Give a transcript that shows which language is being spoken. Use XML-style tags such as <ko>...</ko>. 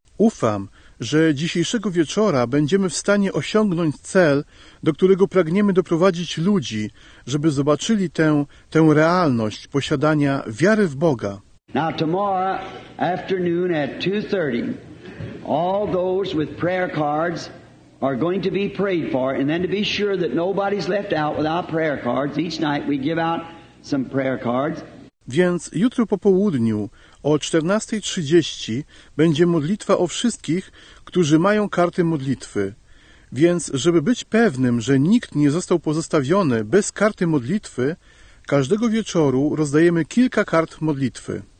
<pl>Ufam, że dzisiejszego wieczora będziemy w stanie osiągnąć cel, do którego pragniemy doprowadzić ludzi, żeby zobaczyli tę realność posiadania wiary w Boga.</pl> <en>Now tomorrow afternoon at 2:30, all those with prayer cards are going to be prayed for, and then to be sure that nobody's left out without prayer cards, each night we give out some prayer cards.</en> <pl>Więc jutro po południu o 14:30 będzie modlitwa o wszystkich, którzy mają karty modlitwy. Więc, żeby być pewnym, że nikt nie został pozostawiony bez karty modlitwy, każdego wieczoru rozdajemy kilka kart modlitwy.</pl>